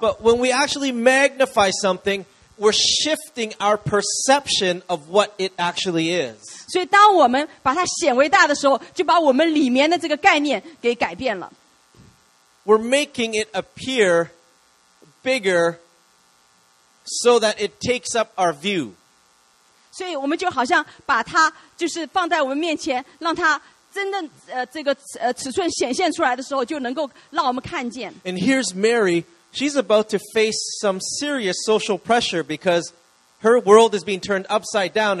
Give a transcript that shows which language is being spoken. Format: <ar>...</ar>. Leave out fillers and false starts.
<en>But when we actually magnify something, we're shifting our perception of what it actually is.</en> <zh>所以当我们把它显微大的时候，就把我们里面的这个概念给改变了。</zh> <en>We're making it appear bigger so that it takes up our view.</en> <zh>所以我们就好像把它就是放在我们面前，让它真正这个尺寸显现出来的时候，就能够让我们看见。</zh> <en>And here's Mary. She's about to face some serious social pressure because her world is being turned upside down.</en>